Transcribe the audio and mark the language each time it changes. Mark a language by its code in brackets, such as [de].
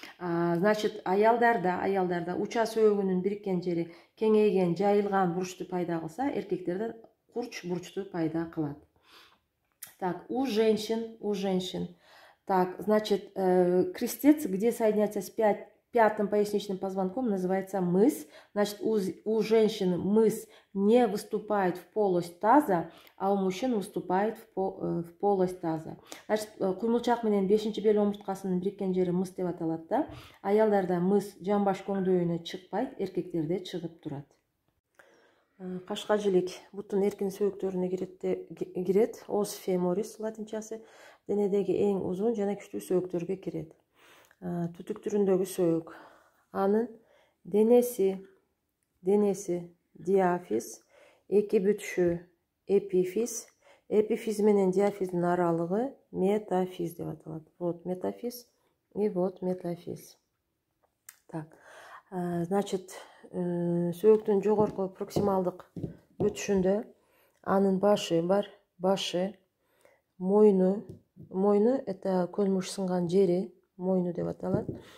[ky] А, значит, аялдарда, учас ойгунун бириккен жери кеңейген, жайылган бурчту пайда кылса, эркектерде курч бурчту пайда кылат. [ru] Так, у женщин. Так, значит, крестец, где соединяется с пятым поясничным позвонком, называется мыс. Значит, у женщин мыс не выступает в полость таза, а у мужчин выступает в полость таза. [ky] Значит, куймылчак менен 5-чи бел омурткасынын бириккен жери мыс деп аталат да. Аялдарда мыс жамбаш көңдөйүнө чыкпайт, эркектерде чыгып турат. Кашка жилик бутун эркин сөөктөрүнө кирет. Ос феморис латинчасы денедеги эң узун жана күчтүү сөөктөргө кирет. Түтүк түрүндөгү сөөк. Анын денеси диафиз, эки бүтүшү эпифиз, эпифиз менен диафиздин аралыгы метафиз деп аталат. [ru] Вот метафиз и вот метафиз. Так. [ky] Значит, сөөктүн жогорку проксималдык бүтүшүндө анын башы бар, башы, мойну это көнмүш сынган жери, мойну деп аталат.